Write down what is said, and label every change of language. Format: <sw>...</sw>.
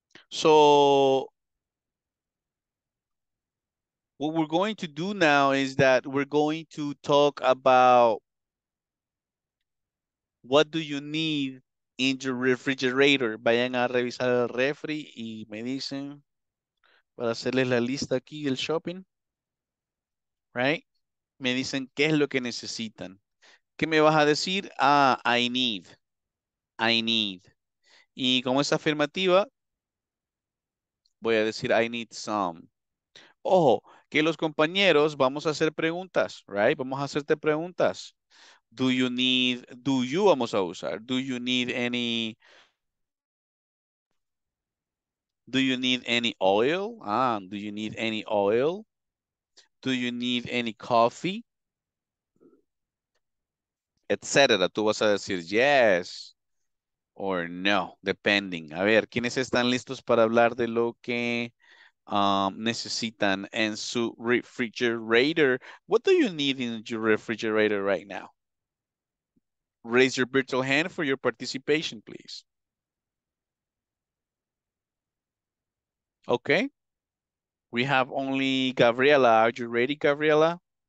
<en>So, what we're going to do now is that we're going to talk about what do you need in your refrigerator?</en> <es>Vayan a revisar el refri y me dicen para hacerles la lista aquí del shopping.</es> <en>Right?</en> <es>me dicen qué es lo que necesitan. ¿Qué me vas a decir?</es> <en>I need. I need.</en> <es>Y como es afirmativa, voy a decir</es> <en>I need some.</en> <es>Ojo, que los compañeros vamos a hacer preguntas,</es> <en>right?</en> <es>Vamos a hacerte preguntas.</es> <en>Do you need, do you</en> <es>vamos a usar.</es> <en>Do you need any oil? Do you need any oil? Do you need any coffee?</en> <es>Etc. Tú vas a decir</es> <en>yes or no, depending.</en> <es>A ver, ¿quiénes están listos para hablar de lo que necesitan en su refrigerator?</es> <en>What do you need in your refrigerator right now? Raise your virtual hand for your participation, please. Okay. We have only Gabriela. Are you ready, Gabriela?</en>